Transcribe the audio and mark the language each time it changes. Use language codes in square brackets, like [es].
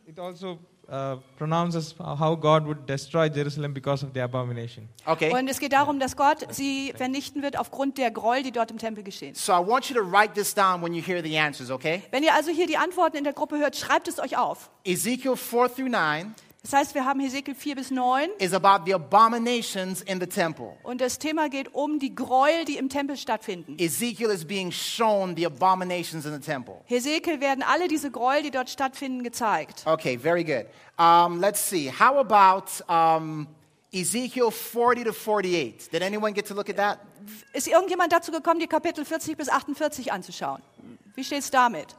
[en] It also pronounces how God would destroy Jerusalem because of the abomination. Okay. [de] Und es geht darum, dass Gott sie vernichten wird aufgrund der Gräuel, die dort im Tempel geschehen. [en] So I want you to write this down when you hear the answers, okay? [de] Wenn ihr also hier die Antworten in der Gruppe hört, schreibt es euch auf. [en] Ezekiel 4 through 9. [de] Das heißt, wir haben Hesekiel 4 bis 9. [en] Is about the abominations in the temple. [de] Und das Thema geht um die Gräuel, die im Tempel stattfinden. [en] Ezekiel is being shown the abominations in the temple. [de] Hesekiel werden alle diese Gräuel, die dort stattfinden, gezeigt. [en] Okay, very good. Let's see. How about Ezekiel 40 to 48? Did anyone get to look at that? [de] Ist irgendjemand dazu gekommen, die Kapitel 40 bis 48 anzuschauen? Wie steht's damit?